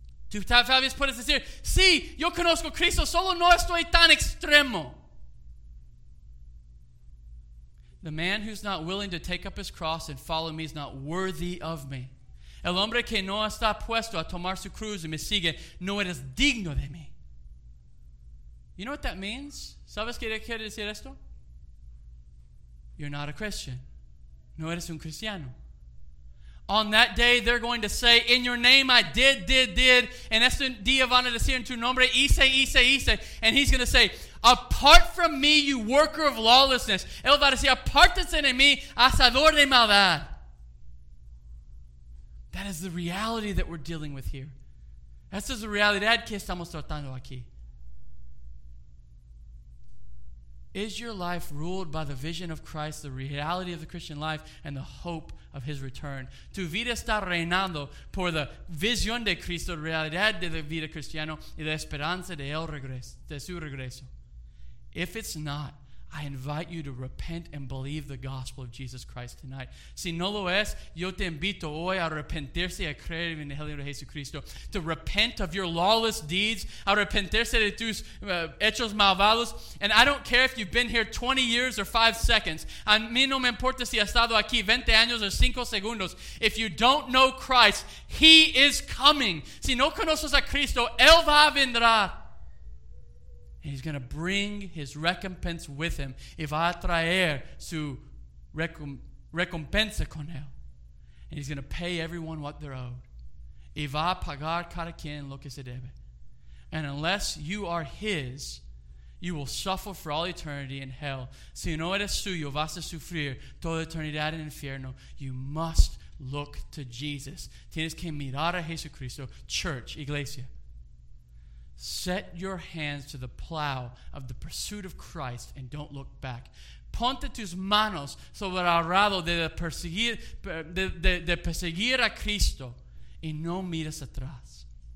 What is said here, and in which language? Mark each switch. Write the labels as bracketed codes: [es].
[es] Tú tal vez puedes decir, sí, yo conozco a Cristo, solo no estoy tan extremo. [en] The man who's not willing to take up his cross and follow me is not worthy of me. [es] El hombre que no está puesto a tomar su cruz y me sigue, no eres digno de mí. [en] You know what that means? [es] ¿Sabes qué quiere decir esto? [en] You're not a Christian. [es] No eres un cristiano. [en] On that day, they're going to say, in your name I did. [es] En este día van a decir en tu nombre, hice. [en] And he's going to say, apart from me, you worker of lawlessness. [es] Él va a decir, apártense de mí, hacedor de maldad. [en] That is the reality that we're dealing with here. [es] Esta es la realidad que estamos tratando aquí. [en] Is your life ruled by the vision of Christ, the reality of the Christian life, and the hope of his return? [es] Tu vida está reinando por la visión de Cristo, la realidad de la vida cristiana, y la esperanza de él regreso, de su regreso. [en] If it's not, I invite you to repent and believe the gospel of Jesus Christ tonight. [es] Si no lo es, yo te invito hoy a arrepentirse y a creer en el Evangelio de Jesucristo. [en] To repent of your lawless deeds, [es] a arrepentirse de tus hechos malvados. [en] And I don't care if you've been here 20 years or 5 seconds. [es] A mí no me importa si has estado aquí 20 años o 5 segundos. [en] If you don't know Christ, he is coming. [es] Si no conoces a Cristo, él va a vendrá. [en] And he's going to bring his recompense with him. [es] Y va a traer su recompensa con él. [en] And he's going to pay everyone what they're owed. [es] Y va a pagar cada quien lo que se debe. [en] And unless you are his, you will suffer for all eternity in hell. [es] Si no eres suyo, vas a sufrir toda eternidad en infierno. [en] You must look to Jesus. [es] Tienes que mirar a Jesucristo, church, iglesia. [en] Set your hands to the plow of the pursuit of Christ and don't look back. [es] Ponte tus manos sobre el arado de perseguir a Cristo y no mires atrás.